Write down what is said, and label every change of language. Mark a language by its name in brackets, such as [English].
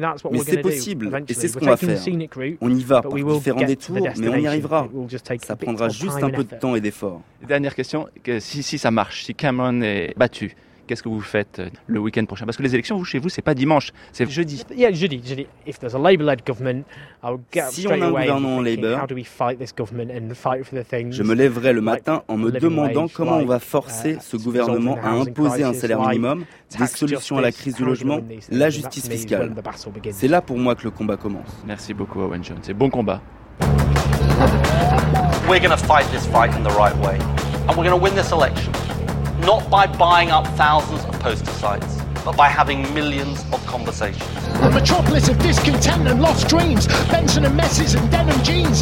[French] Mais c'est possible, et c'est ce qu'on va faire. On y va par différents détours, mais on y arrivera. Ça prendra juste un peu de temps et d'efforts. Dernière question, si ça marche, si Cameron est battu, qu'est-ce que vous faites le week-end prochain? Parce que les élections, chez vous, ce n'est pas dimanche, c'est jeudi. [English] If there's a Labour-led government, I'll get [French] si on a un gouvernement Labour, [English] how do we fight this government and fight for the things, [French] je me lèverai le matin en me demandant comment on va forcer ce gouvernement à imposer un salaire minimum, des solutions à la crise du logement, la justice fiscale. C'est là pour moi que le combat commence. Merci beaucoup, Owen Jones. C'est bon combat. [English] We're going to fight this fight in the right way. And we're going to win this election. Not by buying up thousands of poster sites, but by having millions of conversations. The metropolis of discontent and lost dreams, Benson and messes and denim jeans.